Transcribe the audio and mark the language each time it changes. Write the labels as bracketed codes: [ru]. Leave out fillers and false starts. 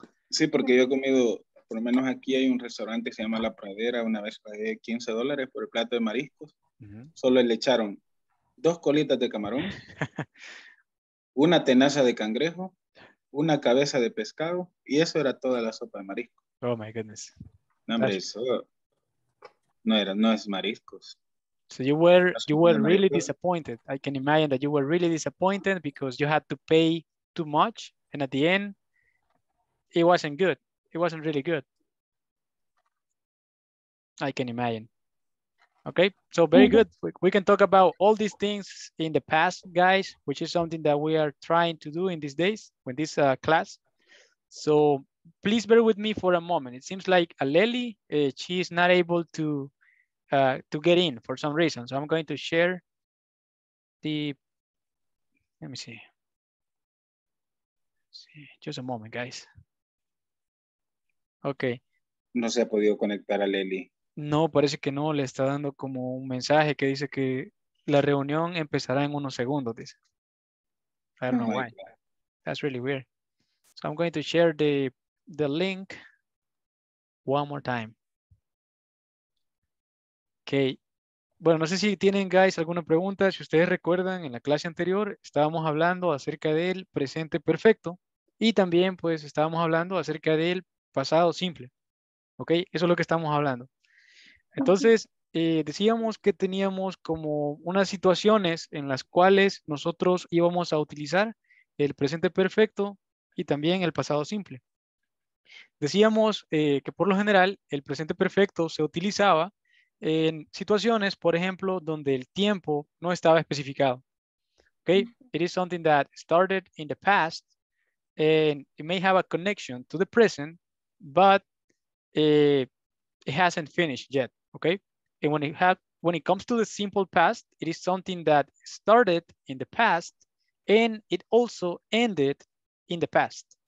[es] Sí, porque yo he comido, por lo menos aquí hay un restaurante que se llama La Pradera, una vez pagué $15 por el plato de mariscos, solo le echaron 2 colitas de camarón, una tenaza de cangrejo, una cabeza de pescado, y eso era toda la sopa de marisco. [en] Oh my goodness. [es] No, hombre, eso no era, no es mariscos. [en] So you were really disappointed. I can imagine that you were really disappointed because you had to pay too much, and at the end, it wasn't good. It wasn't really good. I can imagine. Okay, so very good. We can talk about all these things in the past, guys, which is something that we are trying to do in these days, with this class. So please bear with me for a moment. It seems like Aleli, she is not able to get in for some reason. So I'm going to share the, let me see. Just a moment, guys. Okay. [es] No se ha podido conectar a Aleli. No, parece que no, le está dando como un mensaje que dice que la reunión empezará en unos segundos, dice. [en] I don't know why. That's really weird. So I'm going to share the link one more time. Okay. [es] Bueno, no sé si tienen, guys, alguna pregunta. Si ustedes recuerdan, en la clase anterior estábamos hablando acerca del presente perfecto y también pues estábamos hablando acerca del pasado simple. Okay, eso es lo que estamos hablando. Entonces, decíamos que teníamos como unas situaciones en las cuales nosotros íbamos a utilizar el presente perfecto y también el pasado simple. Decíamos que por lo general el presente perfecto se utilizaba en situaciones, por ejemplo, donde el tiempo no estaba especificado. [en] Okay, it is something that started in the past and it may have a connection to the present, but it hasn't finished yet. Okay, and when it comes to the simple past, it is something that started in the past and it also ended in the past.